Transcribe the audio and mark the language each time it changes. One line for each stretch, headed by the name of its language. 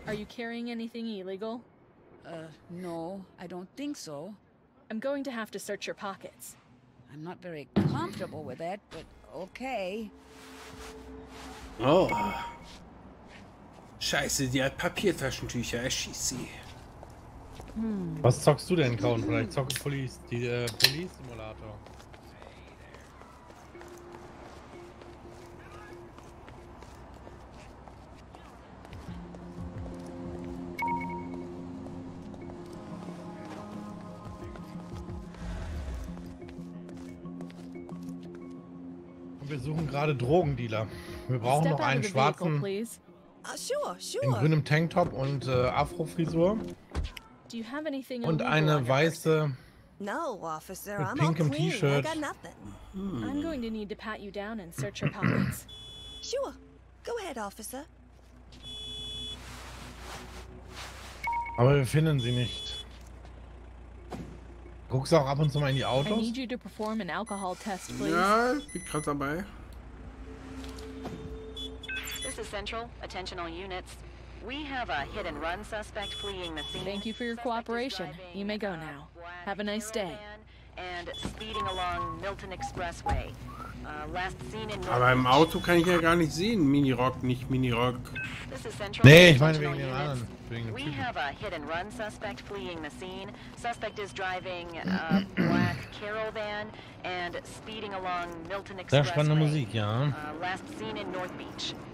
English: Are you carrying anything illegal? No, I don't think so. I'm going to have to search your pockets. I'm not very comfortable with that, but okay. Oh.
German: Scheiße, die hat Papiertaschentücher, erschieß sie. Was zockst du denn, Kaun? Vielleicht zocken Police, die Police Simulator. Wir suchen gerade Drogendealer. Wir brauchen noch einen schwarzen in grünem Tanktop und Afrofrisur. Und eine weiße mit pinkem T-Shirt.
English: I'm going to need to pat you down and search your pockets. Sure. Go ahead, officer.
German: Aber wir finden sie nicht. Guckst du auch ab und zu mal in die Autos?
English: I need you to perform an alcohol test, please.
German: Ja, ich bin gerade dabei.
English: This is Central. Attention all units. We have a hit and run suspect fleeing the scene. Thank you for your cooperation. You may go now. Have a nice day. And speeding along Milton Expressway. Last seen in.
German: Aber im Auto kann ich ja gar nicht sehen. Minirock, nicht Minirock. Nee, ich meine wegen den anderen.
English: We have a hit and run suspect fleeing the scene. Suspect is driving a black Carol van and speeding along Milton Expressway.
German: Sehr spannende Musik, ja.
English: Last seen in North Beach.